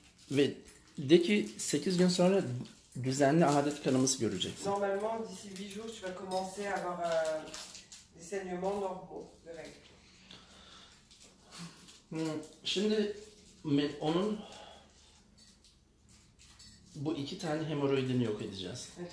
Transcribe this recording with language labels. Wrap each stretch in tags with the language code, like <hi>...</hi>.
<tr>Ve de ki 8 gün sonra düzenli adet kanımızı göreceksin.</tr> <fr>Normalement d'ici 8 jours tu vas commencer à avoir des saignements normaux de règles.</fr> <tr>Şimdi onun bu iki tane hemoroidini yok edeceğiz.</tr>